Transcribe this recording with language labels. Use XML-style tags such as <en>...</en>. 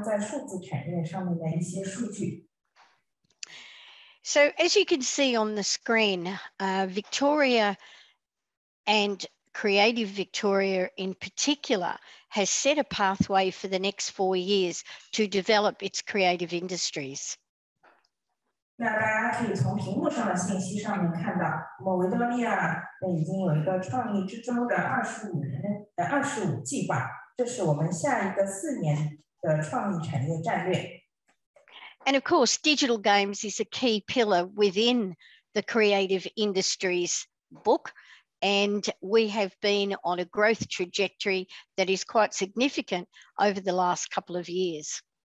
<zh>那今天会给大家介绍我们维多利亚州在数字产业上面的一些数据。</zh> <en>So as you can see on the screen, Victoria And Creative Victoria in particular has set a pathway for the next 4 years to develop its creative industries.</en> <zh>那大家可以从屏幕上的信息上面看到，某维多利亚已经有一个创意之中的25年的25计划，这是我们下一个四年的创意产业战略。</zh> <en>And of course, digital games is a key pillar within the creative industries book. And we have been on a growth trajectory that is quite significant over the last couple of years.</en>